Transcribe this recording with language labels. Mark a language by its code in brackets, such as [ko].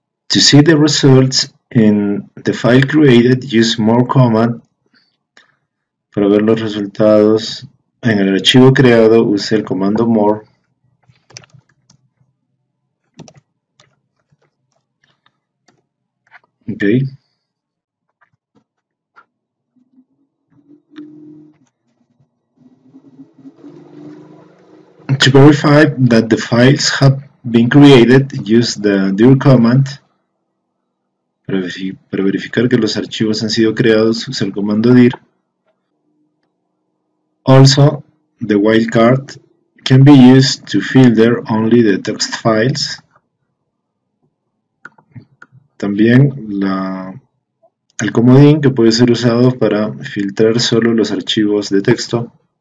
[en] To see the results in the file created, use more command. [es] Para ver los resultados en el archivo creado, use el comando more. [en] Ok. verify that the files have been created, use the dir command. [es] Para verificar que los archivos han sido creados, usa el comando dir. [en] Also, the wildcard can be used to filter only the text files. [es] También el comodín que puede ser usado para filtrar solo los archivos de texto.